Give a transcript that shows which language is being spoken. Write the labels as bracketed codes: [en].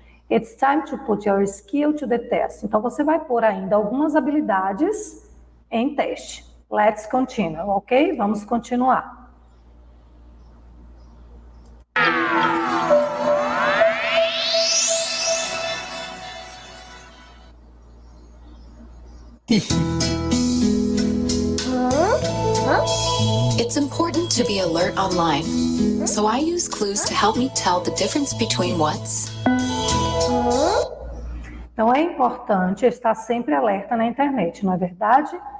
[en] It's time to put your skill to the test. [pt] Então, você vai pôr ainda algumas habilidades em teste. [en] Let's continue, ok? [pt] Vamos continuar. [en] It's important to be alert online, so I use clues to help me tell the difference between what's. [pt] Então é importante estar sempre alerta na internet, não é verdade?